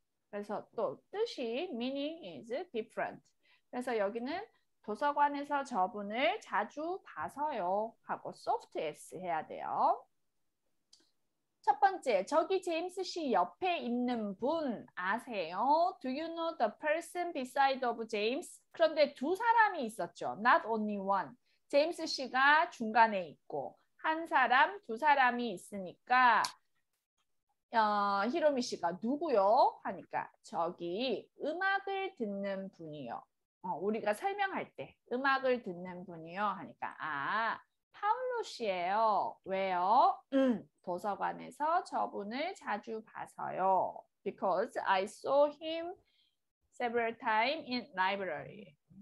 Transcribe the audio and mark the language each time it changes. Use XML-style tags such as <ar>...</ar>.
<ko>그래서 또 뜻이</ko> <en>meaning is different.</en> <ko>그래서 여기는 도서관에서 저분을 자주 봐서요 하고 soft s 해야 돼요. 첫 번째, 저기 제임스 씨 옆에 있는 분 아세요?</ko> <en>Do you know the person beside of James?</en> <ko>그런데 두 사람이 있었죠.</ko> <en>Not only one.</en> <ko>제임스 씨가 중간에 있고 한 사람, 두 사람이 있으니까 히로미 씨가 누구요? 하니까 저기 음악을 듣는 분이요. 우리가 설명할 때 음악을 듣는 분이요. 하니까 아 파울로 씨예요. 왜요? 도서관에서 저분을 자주 봐서요.</ko> <en>Because I saw him several times in library.</en>